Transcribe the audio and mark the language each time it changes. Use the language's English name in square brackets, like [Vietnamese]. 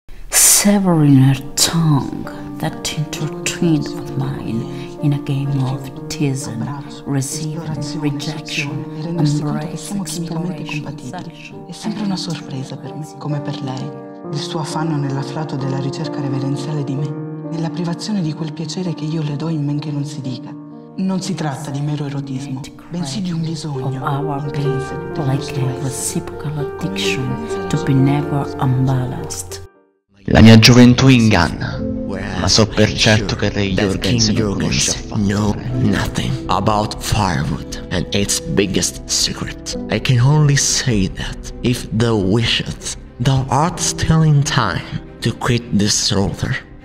[English] Severing her tongue that intertwined with mine in a game of teasing, receiving, rejection, embrace, exploration. [Italian] È sempre una sorpresa per me, come per lei, il suo affanno nell'afflato della ricerca reverenziale di me, nella privazione di quel piacere che io le do in men che non si dica. Non si tratta di mero erotismo, bensì di un bisogno, intrinseco, [English] like a reciprocal addiction to be never unbalanced. [Italian] La mia gioventù inganna, ma so per certo che Ray Jorgensen non conosce affatto. [English] Know nothing about firewood and its biggest secret. I can only say that if thou wishest, thou art still in time to quit this altar.